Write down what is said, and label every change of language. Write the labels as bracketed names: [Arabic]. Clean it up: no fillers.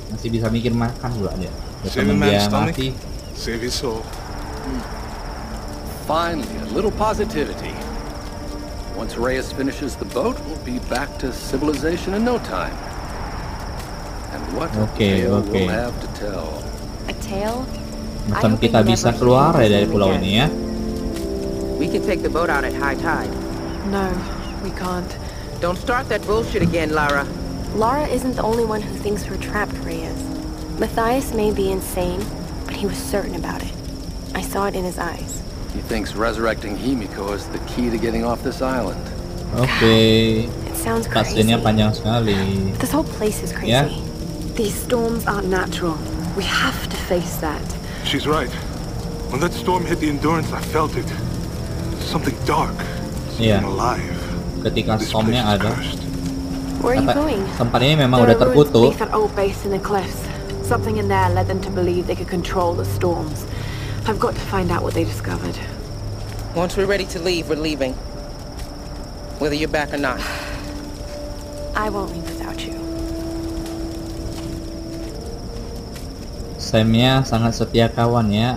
[Indonesian] Masih bisa mikir makan pula dia. Temen dia mati. [English] Save his soul. Finally, a little positivity. Once Reyes finishes the boat, we'll be back to civilization in no time. And what a tale we'll have to tell. A tale? [Indonesian] Macam kita bisa keluar dari pulau ini ya. [English] We can take the boat out at high tide. No, we can't. Don't start that bullshit again, Laura. Laura isn't the only one who thinks we're trapped, Reyes. Matthias may be insane, but he was certain about it. I saw it in his eyes. He thinks resurrecting Himiko is the key to getting off this island. Okay. It sounds crazy. [Indonesian] Pastinya panjang sekali. [English] But this whole place is crazy. Yeah. These storms aren't natural. We have to face that. She's right. When that storm hit the Endurance, I felt it. Something dark. Something alive. [Indonesian] Ketika stormnya ada, kata, tempat ini memang udah terputus. [English] That old base in the cliffs. Something in there led them to believe they could control the storms. I've got to find out what they discovered. Once we're ready to leave, we're leaving. Whether you're back or not, I won't leave without you. [Indonesian] Samnya sangat setia kawan ya.